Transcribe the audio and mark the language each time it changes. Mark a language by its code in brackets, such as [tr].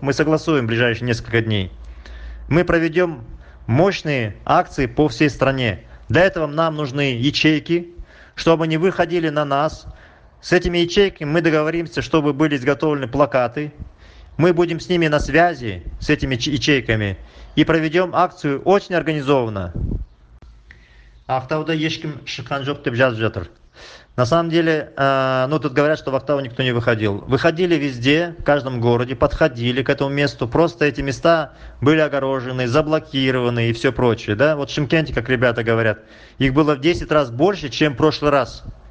[ru] Мы согласуем в ближайшие несколько дней. Мы проведем мощные акции по всей стране. Для этого нам нужны ячейки, чтобы они выходили на нас. С этими ячейками мы договоримся, чтобы были изготовлены плакаты. Мы будем с ними на связи, с этими ячейками, и проведем акцию очень организованно. [kk] Ақтауда ешкім шыққан жоқ деп жазып жатыр. [ru] На самом деле, ну тут говорят, что в Ақтау никто не выходил. Выходили везде, в каждом городе, подходили к этому месту. Просто эти места были огорожены, заблокированы и все прочее. Да? Вот в Шымкенте, как ребята говорят, их было в 10 раз больше, чем в прошлый раз.